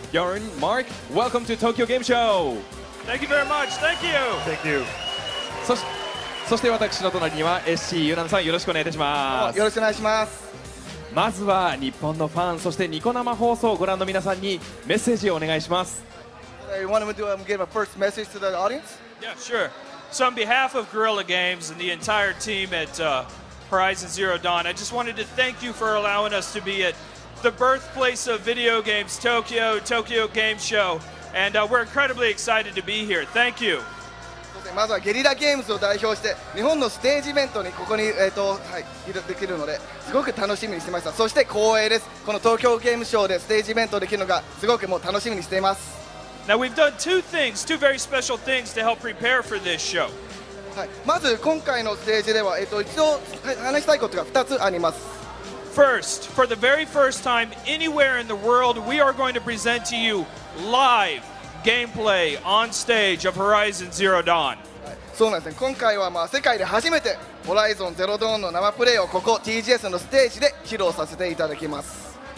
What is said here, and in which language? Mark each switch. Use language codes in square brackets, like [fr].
[en] ヨルン、マーク、Welcome to Tokyo Game Show! Thank you very much! Thank you! Thank you! [ja] そして私の隣には SC ユナムさん、よろしくお願いいたします。よろしくお願いします。まずは日本のファン、そしてニコ生放送をご覧の皆さんにメッセージをお願いします。 [en] You want to do, give a first message to the audience? Yeah, sure! So on behalf of Guerrilla Games and the entire team at Horizon Zero Dawn, I just wanted to thank you for allowing us to be at the birthplace of video games, Tokyo, Tokyo Game Show, and we're incredibly excited to be here. Thank you. [ja] まずはゲリラゲームズを代表して日本のステージイベントにここに、はい、できるのですごく楽しみにしてました。そして光栄です。この東京ゲームショーでステージイベントできるのがすごくもう楽しみにしています。 [en] Now we've done two things, two very special things to help prepare for this show. [ja] まず今回のステージでは、一応話したいことが2つあります。 [en] First, for the very first time anywhere in the world, we are going to present to you live gameplay on stage of Horizon Zero Dawn. [ja] そうなんですね。今回はまあ世界で初めて Horizon Zero Dawn の生プレイをここ TGS のステージで披露させていただきます。